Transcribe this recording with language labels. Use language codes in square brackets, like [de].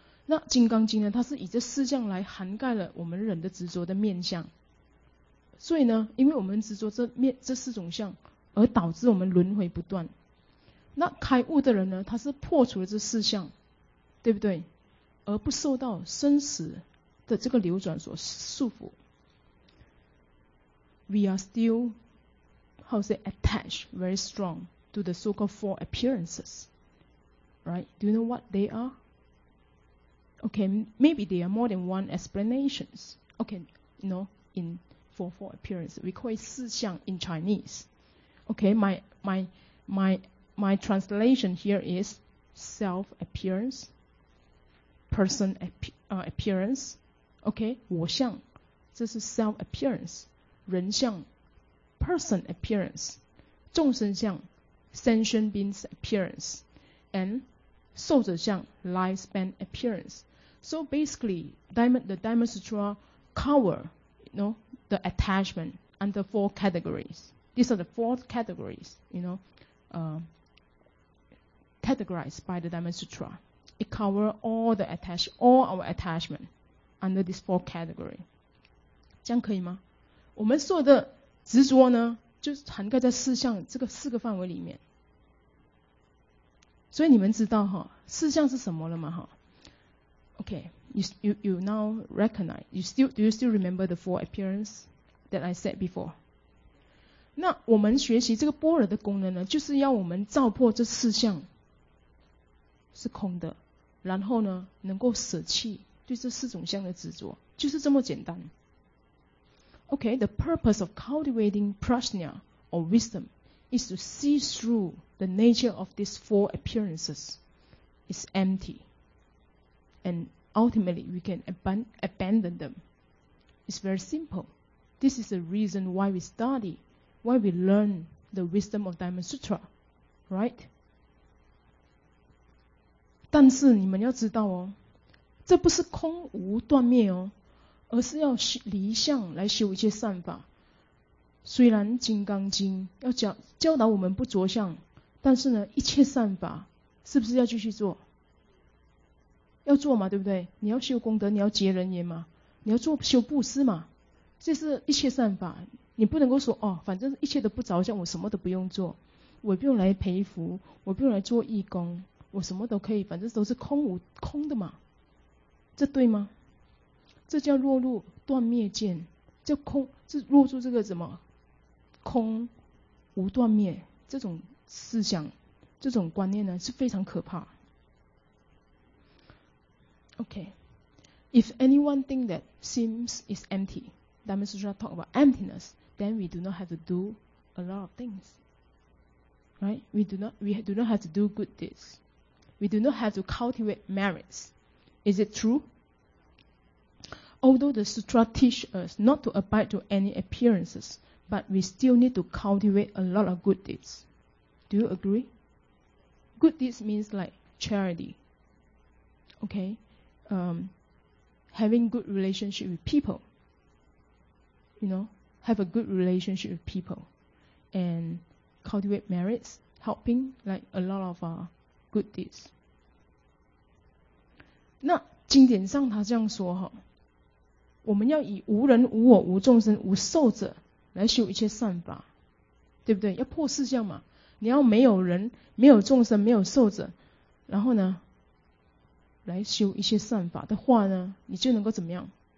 [zh] 那《金刚经》呢, 它是以这四项来涵盖了我们人的执着的面相。所以呢, 因为我们执着这四种相, 而导致我们轮回不断。那开悟的人呢，他是破除了这四相，对不对？而不受到生死的这个流转所束缚。 [en] We are still, how say, attached very strong to the so-called four appearances. Right? Do you know what they are? Okay, maybe there are more than one explanations. Okay, you know, in four appearances. We call it 四相 in Chinese. Okay, my translation here is self-appearance, person appearance. Okay, 我相, this is self-appearance. 人相 person appearance, 众生相 sentient beings appearance, and 受者相 lifespan appearance. So basically, the Diamond Sutra cover, you know, the attachment under four categories. These are the four categories, you know, categorized by the Diamond Sutra. It covers all our attachment under these four categories. [zh] 这样可以吗？我们所有的执着呢，就涵盖在四相这个四个范围里面。所以你们知道哈，四相是什么了吗？ [en] 哈 ，Okay, you now recognize. Do you still remember the four appearances that I said before? [zh] 那我们学习这个般若的功能呢，就是要我们照破这四相是空的，然后呢，能够舍弃对这四种相的执着，就是这么简单。 [en] Okay, the purpose of cultivating prajna or wisdom is to see through the nature of these four appearances. It's empty. And ultimately, we can abandon them. It's very simple. This is the reason why we study, why we learn the wisdom of Diamond Sutra, right? [zh] 但是你们要知道哦，这不是空无断灭哦。而是要离相来修一切善法。虽然《金刚经》要教导我们不着相，但是呢，一切善法是不是要继续做？要做嘛，对不对？你要修功德，你要结人缘嘛，你要做修布施嘛，这是一切善法。你不能够说哦，反正一切都不着相，我什么都不用做，我不用来培福，我不用来做义工，我什么都可以，反正都是空无空的嘛，这对吗？这叫落入断灭见，叫空，是落入这个什么空无断灭这种思想，这种观念呢是非常可怕。 [en] Okay, if anyone think that seems is empty, that means we talk about emptiness, then we do not have to do a lot of things, right? We do not have to do good deeds, we do not have to cultivate merits. Is it true? Although the sutra teach us not to abide to any appearances, but we still need to cultivate a lot of good deeds. Do you agree? Good deeds means like charity. Okay? Having good relationship with people. You know, have a good relationship with people. And cultivate merits, helping like a lot of good deeds. [zh] 那经典上他这样说哈。我们要以无人、无我、无众生、无受者来修一切善法，对不对？要破四相嘛，你要没有人、没有众生、没有受者，然后呢，来修一切善法的话呢，你就能够怎么样？